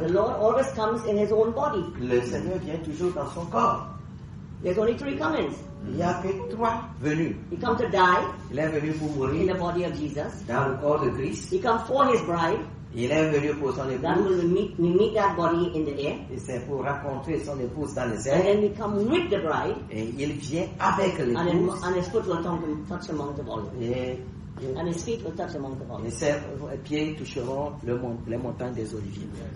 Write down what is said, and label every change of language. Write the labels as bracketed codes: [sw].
[en] The Lord always comes in his own body. [fr] Le Seigneur vient toujours dans son corps. [en] There's only three comings. [fr] Il y a que trois venus. [en] He comes to die. [fr] Il est venu pour mourir. [en] In the body of Jesus. [fr] Dans le corps de Christ. [en] He comes for his bride. [fr] Il est venu pour son épouse. [en] That will meet that body in the air. [fr] Et c'est pour rencontrer son épouse dans les airs. [en] And then he comes with the bride. [fr] Et il vient avec l'épouse. [en] And his foot will touch among the volume. [fr] Et [en] and his feet will touch among the volume. [fr] Et ses pieds toucheront les montagnes des oliviers.